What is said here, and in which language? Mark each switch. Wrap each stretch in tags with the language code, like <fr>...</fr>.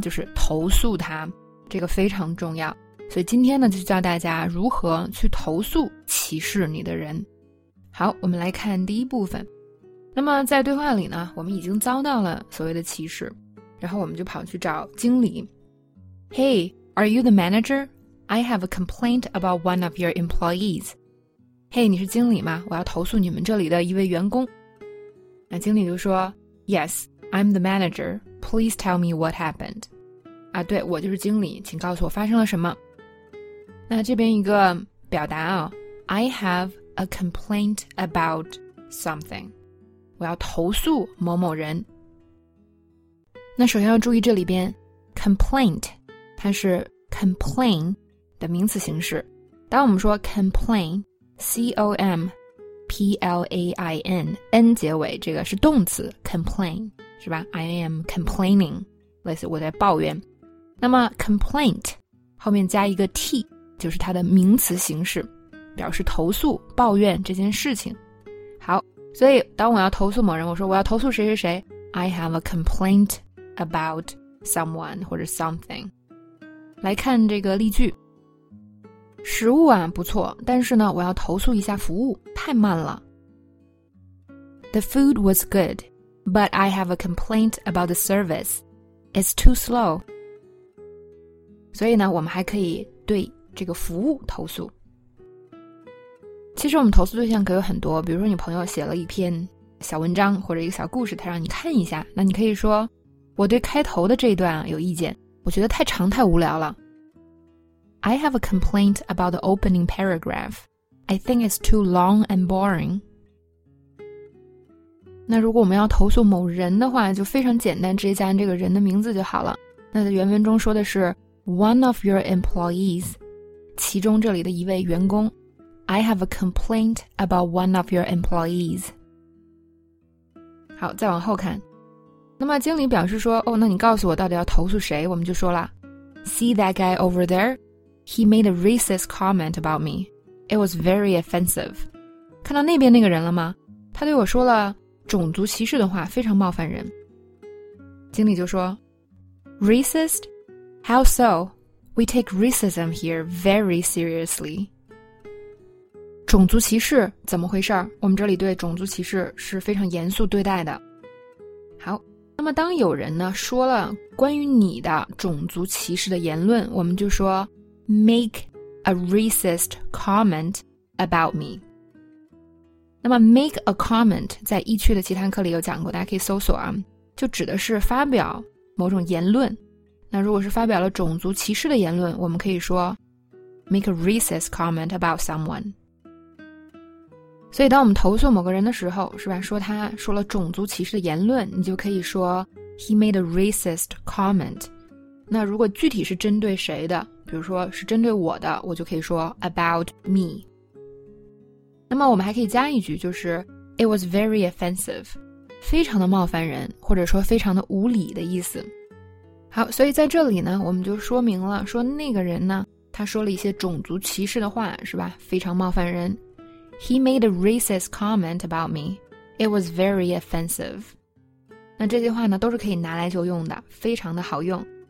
<zh>就是投诉他，这个非常重要。所以今天呢，就教大家如何去投诉歧视你的人。好，我们来看第一部分。那么在对话里呢，我们已经遭到了所谓的歧视，然后我们就跑去找经理。</zh> <en>Hey, are you the manager? I have a complaint about one of your employees.</en> <zh>Hey, 你是经理吗？我要投诉你们这里的一位员工。那经理就说</zh> <en>Yes, I'm the manager. Please tell me what happened.</en> <zh>啊，对，我就是经理，请告诉我发生了什么。那这边一个表达啊，</zh> <en>I have a complaint about something.</en> <zh>我要投诉某某人。那首先要注意这里边 complaint 它是 complain 的名词形式。当我们说 complain, C-O-M-P-L-A-I-N, N 结尾，这个是动词 complain, 是吧？</zh> <en>I am complaining,</en> <zh>类似我在抱怨。那么 complaint 后面加一个 T,就是它的名词形式，表示投诉抱怨这件事情。好，所以当我要投诉某人，我说我要投诉谁谁谁，</zh> <en>I have a complaint about someone</en> <zh>或者 something。来看这个例句，食物啊不错，但是呢我要投诉一下服务太慢了。</zh> <en>The food was good, but I have a complaint about the service. It's too slow.</en> <zh>所以呢我们还可以对这个服务投诉。其实我们投诉对象可有很多，比如说你朋友写了一篇小文章或者一个小故事，他让你看一下，那你可以说我对开头的这一段有意见，我觉得太长太无聊了。</zh> <en>I have a complaint about the opening paragraph. I think it's too long and boring.</en> <zh>那如果我们要投诉某人的话，就非常简单，直接加上这个人的名字就好了。那在原文中说的是</zh> <en>One of your employees,</en> <zh>其中这里的一位员工。</zh> <en>I have a complaint about one of your employees.</en> <zh>好，再往后看。那么经理表示说，哦，那你告诉我到底要投诉谁，我们就说了</zh> <en>See that guy over there? He made a racist comment about me. It was very offensive.</en> <zh>看到那边那个人了吗？他对我说了种族歧视的话，非常冒犯人。经理就说</zh> <en>Racist? How so? We take racism here very seriously.</en> <zh>种族歧视怎么回事？我们这里对种族歧视是非常严肃对待的。好，那么当有人呢说了关于你的种族歧视的言论，我们就说</zh> <en>make a racist comment about me.</en> <zh>那么 make a comment 在易趣的其他课里有讲过，大家可以搜索啊，就指的是发表某种言论。那如果是发表了种族歧视的言论，我们可以说</zh> <en>make a racist comment about someone.</en> <zh>所以当我们投诉某个人的时候，是吧，说他说了种族歧视的言论，你就可以说</zh> <en>he made a racist comment.</en> <zh>那如果具体是针对谁的，比如说是针对我的，我就可以说 about me. 那么我们还可以加一句，就是</zh> <en>it was very offensive,</en> <zh>非常的冒犯人，或者说非常的无理的意思。好，所以在这里呢，我们就说明了，说那个人呢，他说了一些种族歧视的话，是吧？非常冒犯人。</zh> <en>He made a racist comment about me.</en> <zh>It was very offensive. 那这句话呢，都是可以拿来就用的，非常的好用。</zh>